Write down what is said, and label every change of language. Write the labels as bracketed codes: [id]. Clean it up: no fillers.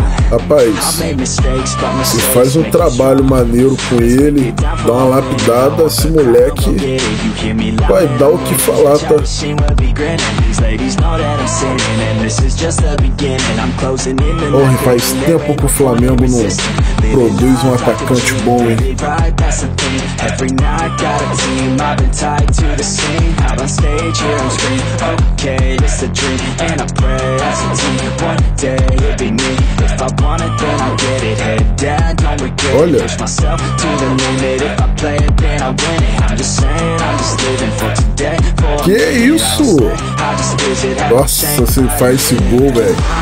[pt] Rapaz, se faz um trabalho maneiro com ele, dá uma lapidada, esse moleque vai dar o que falar, tá? Porra, faz tempo que o Flamengo não produz um atacante bom, hein? [en] Every night got a team, I've been tied to the scene. Out on stage, here on screen. Okay, it's a dream, and I pray as a team. One day, it'd be me. If I want it, then I'll get it. Head down, don't regret it. Push myself to the limit. If I play it, then I win it. I'm just saying, I'm just living for today. [pt] For que isso? Nossa, você faz esse gol, velho.